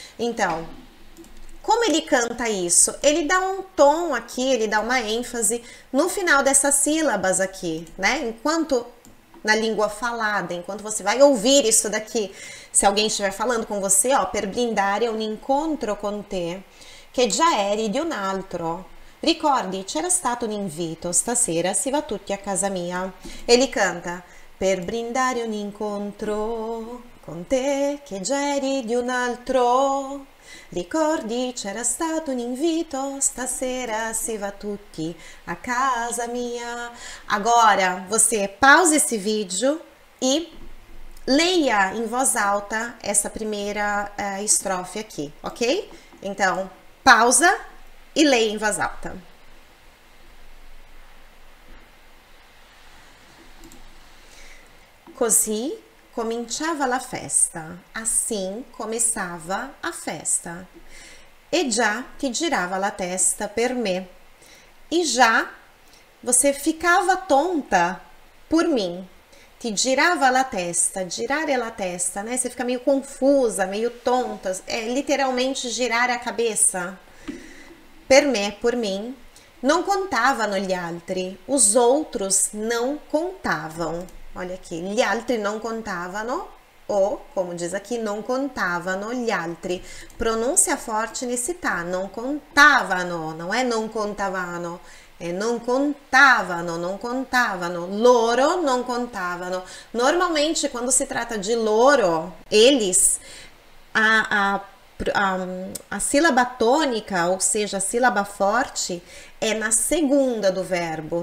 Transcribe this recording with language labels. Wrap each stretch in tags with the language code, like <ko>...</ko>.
<pt>Então, como ele canta isso? Ele dá um tom aqui, ele dá uma ênfase no final dessas sílabas aqui, né? Enquanto na língua falada, enquanto você vai ouvir isso daqui, se alguém estiver falando com você, ó,</pt> <it>per brindare un incontro con te, che già eri di un altro. Ricordi, c'era stato un invito, stasera si va tutti a casa mia.</it> <pt>Ele canta,</pt> <it>per brindare un incontro con te, che già eri di un altro. Ricordi, c'era stato un invito, stasera si va tutti a casa mia.</it> <pt>Agora, você pausa esse vídeo e leia em voz alta essa primeira estrofe aqui, ok? Então, pausa e leia em voz alta.</pt> <it>Così cominciava la festa,</it> <pt>assim começava a festa.</pt> <it>E già ti girava la testa per me.</it> <pt>E già você ficava tonta por mim.</pt> <it>Ti girava la testa,</it> <pt>girare la testa, né? Você fica meio confusa, meio tonta. É literalmente girar a cabeça.</pt> <it>Per me,</it> <pt>por mim,</pt> <it>non contavano gli altri,</it> <pt>os outros não contavam. Olha aqui,</pt> <it>gli altri non contavano,</it> <pt>ou como diz aqui,</pt> <it>non contavano gli altri.</it> <pt>Pronúncia forte nesse tá,</pt> <it>non contavano,</it> <pt>não é non contavano, é non contavano, non contavano.</pt> <it>Loro non contavano.</it> <pt>Normalmente, quando se trata de loro, eles, a sílaba tônica, ou seja, a sílaba forte, é na segunda do verbo.</pt>